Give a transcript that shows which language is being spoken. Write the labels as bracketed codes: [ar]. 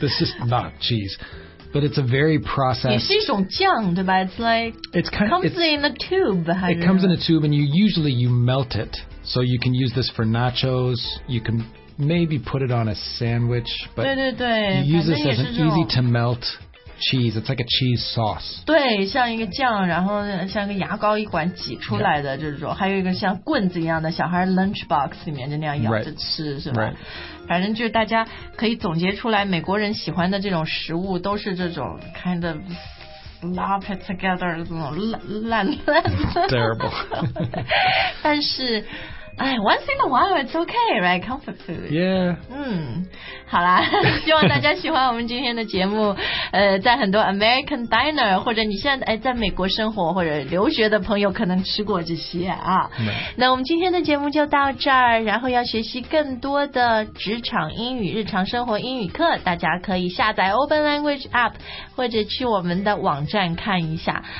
[en] This is not cheese, but it's a very processed. [zh] 也是一种酱，对吧 ？ It's like [en] it's kind of comes in a tube. It comes in a tube, and you usually melt it, so you can use this for nachos. You can maybe put it on a sandwich, but [zh] 对对对 [en] you use this as an easy to melt. Cheese, it's like a cheese sauce. [zh] 对，像一个酱，然后像一个牙膏一管挤出来的这种， [en] yep. [zh] 还有一个像棍子一样的小孩 lunchbox 里面就那样咬着吃， [en] right. [zh] 是吧？ [en] Right. [zh] 反正就是大家可以总结出来，美国人喜欢的这种食物都是这种 kind of slop it together 这种烂 [en] terrible. [zh] 但是。 [en] 哎 ，once in a while it's okay, right? Comfort food. Yeah. [zh] 嗯，好啦，希望大家喜欢我们今天的节目。在很多 American diner 或者你现在在美国生活或者留学的朋友可能吃过这些啊。那我们今天的节目就到这儿，然后要学习更多的职场英语、日常生活英语课，大家可以下载 Open Language App 或者去我们的网站看一下。